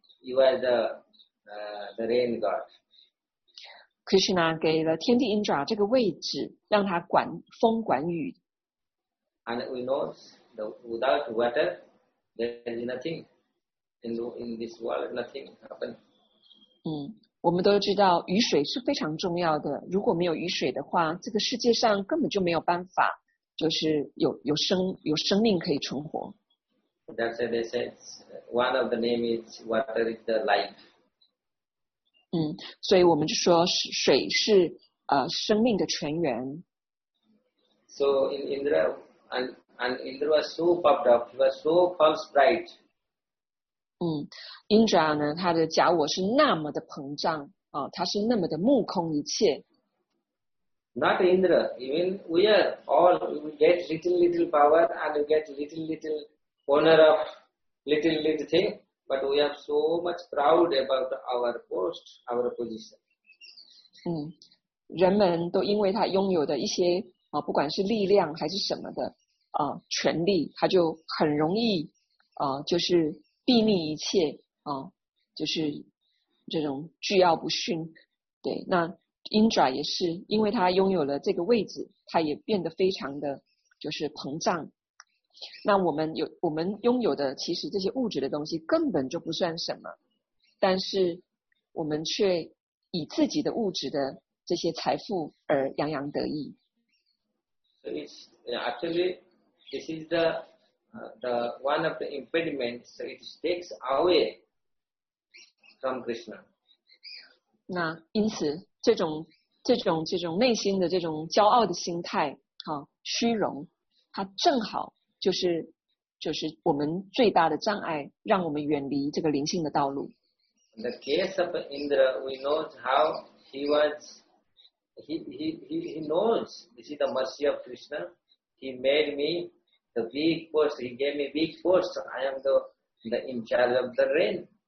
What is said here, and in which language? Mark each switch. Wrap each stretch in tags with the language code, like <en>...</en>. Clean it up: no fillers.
<en>You are the rain god.</en> <zh>Krishna 给了天帝 Indra 这个位置，让他管风管雨。</zh> <en>And we know that without water, there is nothing in this world. Nothing happens.</en> <zh>我们都知道雨水是非常重要的。如果没有雨水的话，这个世界上根本就没有办法，就是有生命可以存活。</zh> <en>That's why they said one of the name is water is the life.</en> <zh>所以我们就说水是生命的泉源。</zh> <en>So in Indra. And Indra was so puffed up. He was so false pride.</en> <zh>Indra 呢，他的假我是那么的膨胀啊，他是那么的目空一切。</zh> <en>Not Indra. Even we are all we get little power and we get little owner of little thing, but we are so much proud about our post, our position.</en> <zh>人们都因为他拥有的一些不管是力量还是什么的。权力，他就很容易就是睥睨一切就是这种桀骜不驯。对，那 Indra 也是，因为他拥有了这个位置，他也变得非常的就是膨胀。那我们拥有的其实这些物质的东西根本就不算什么，但是我们却以自己的物质的这些财富而洋洋得意。</zh> <en>This is the one of the impediments. It takes away from Krishna.</en> <zh>那因此，这种内心的这种骄傲的心态，虚荣，它正好就是我们最大的障碍，让我们远离这个灵性的道路。</zh> <en>In the case of Indra, we know how he was. He knows this is the mercy of Krishna. He made me. The big post, he gave me big post. I am the in charge of the rain.</en>